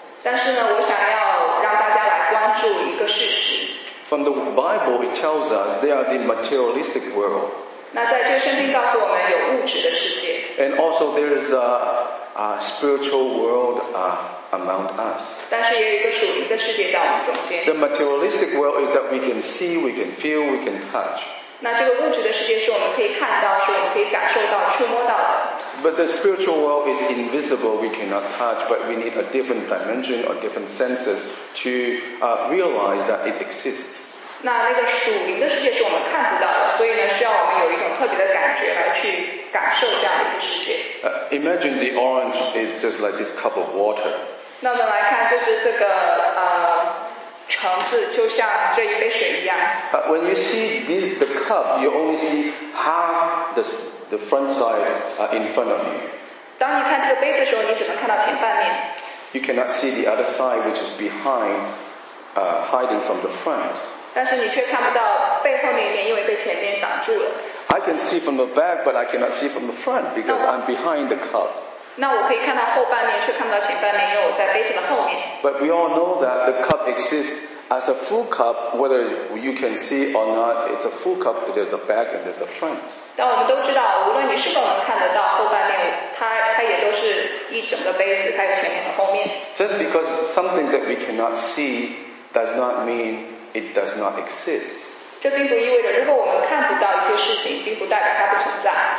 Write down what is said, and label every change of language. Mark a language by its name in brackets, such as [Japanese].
[Chinese] 但是呢，我想要让大家来关注一个事实。 [English] From the Bible, it tells us they are the materialistic world. [Chinese] 那在这个圣经告诉我们有物质的世界。 [English] And also there is a spiritual world among us. [Chinese] 但是也有一个属灵的世界在我们中间。 [English] The materialistic world is that we can see, we can feel, we can touch. [Chinese] 那这个物质的世界是我们可以看到，是我们可以感受到、触摸到的。 [English] But the spiritual world is invisible, we cannot touch, but we need a different dimension or different senses to realize that it exists. [Chinese] 那个属灵的世界是我们看不到的，所以呢，需要我们有一种特别的感觉来去感受这样的一个世界。 [English] Imagine the orange is just like this cup of water. [Chinese] 那我们来看，就是这个橙子就像这一杯水一样。 [English] When you see the cup, you only see half the front side in front of you. [Chinese] 当你看这个杯子的时候，你只能看到前半面。 [English] You cannot see the other side, which is behind, hiding from the front. [Chinese] 但是你却看不到背后那一面，因为被前面挡住了。 [English] I can see from the back, but I cannot see from the front because I'm behind the cup. [Chinese] 那我可以看到后半面，却看不到前半面，因为我在杯子的后面。 [English] But we all know that the cup exists as a full cup, whether you can see or not. It's a full cup. There's a back and there's a front. [Chinese] 但我们都知道，无论你是否能看得到后半面，它也都是一整个杯子，它有前面和后面。 [English] Just because something that we cannot see does not mean it does not exist. [Chinese] 这并不意味着，如果我们看不到一些事情，并不代表它不存在。